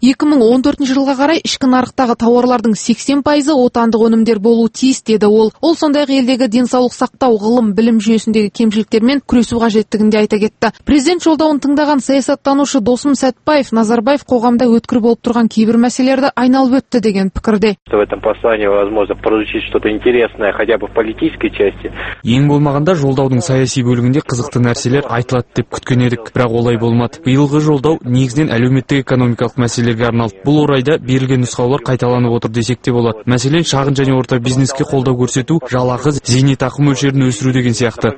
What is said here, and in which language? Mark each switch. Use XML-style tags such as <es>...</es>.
<kk>2014 жылға қарай ішкі нарықтағы тауарлардың 80% отандық өнімдер болуы тиіс деді ол. Ол сондай-ақ елдегі денсаулық сақтау, ғылым, білім жүйесіндегі кемшіліктермен күресу қажеттігін де айта кетті. Президент жолдауын тыңдаған саясаттанушы Досым Сәтбаев Назарбаев қоғамда өткір болып тұрған кейбір мәселелерді айналып өтті деген пікірде.</kk> <ru>В этом послании возможно получить что-то интересное, хотя бы в политической части.</ru> <kk>Ең болмағанда жолдаудың саяси бөлігінде қызықты нәрселер айтылады деп күткен едік, бірақ олай болмады. Биылғы жолдау негізінен әлеуметтік-экономикалық мәселелерге арналды. Бұл орайда берілген нұсқаулар қайталанып отыр десек те болады. Мәселен, шағын және орта бизнеске қолдау көрсету, жалақы, зейнетақы мөлшерін өсіру деген сияқты.</kk>